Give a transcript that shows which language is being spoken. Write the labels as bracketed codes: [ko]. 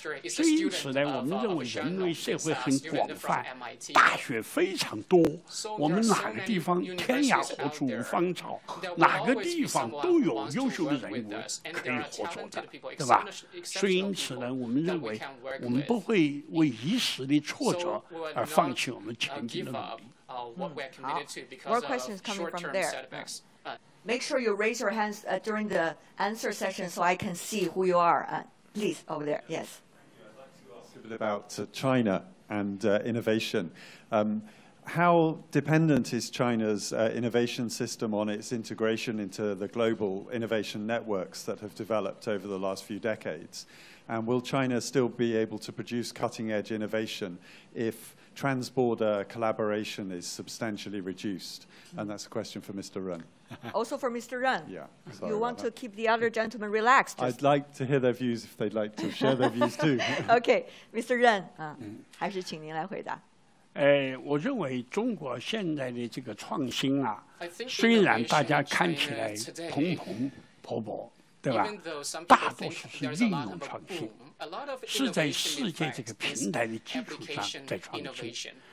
[zh] 所以因此呢，我们认为人类社会很广泛，大学非常多，我们哪个地方天涯何处无芳草，哪个地方都有优秀的人物可以合作的，对吧？所以因此呢，我们认为我们不会为一时的挫折而放弃我们前进的努力。好 [en] ，more questions coming from there。 Make sure you raise your hands during the answer session so I can see who you are. Please, over there. Yes. Thank you. I'd like to ask a bit about China and innovation. How dependent is China's innovation system on its integration into the global innovation networks that have developed over the last few decades? And will China still be able to produce cutting-edge innovation if trans-border collaboration is substantially reduced? And that's a question for Mr. Ren. Also for Mr. Ren. Yeah. You want to keep the other gentleman relaxed? I'd like to hear their views if they'd like to share their views too. Okay, [zh] Mr. Ren, 还是请您来回答。我认为中国现在的这个创新啊，虽然大家看起来蓬蓬勃勃，对吧？大多数是应用创新。是在世界这个平台的基础上在创新。